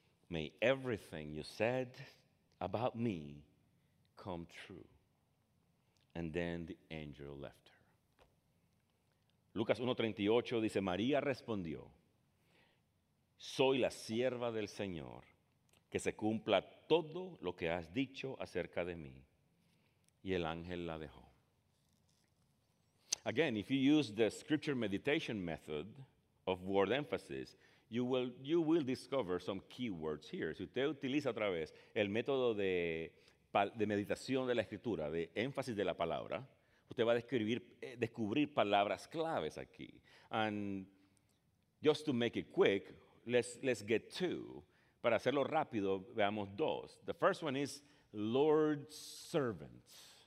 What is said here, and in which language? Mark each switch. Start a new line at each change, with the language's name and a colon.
English: May everything you said about me come true. And then the angel left her.
Spanish: Lucas 1:38 dice, María respondió, soy la sierva del Señor. que se cumpla todo lo que has dicho acerca de mí. Y el ángel la dejó.
English: Again, if you use the scripture meditation method of word emphasis, you will discover some key words here.
Spanish: Si usted utiliza otra vez el método de meditación de la escritura, de énfasis de la palabra, usted va a descubrir palabras claves aquí.
English: And just to make it quick, let's get two.
Spanish: Para hacerlo rápido, veamos dos.
English: The first one is Lord's servant.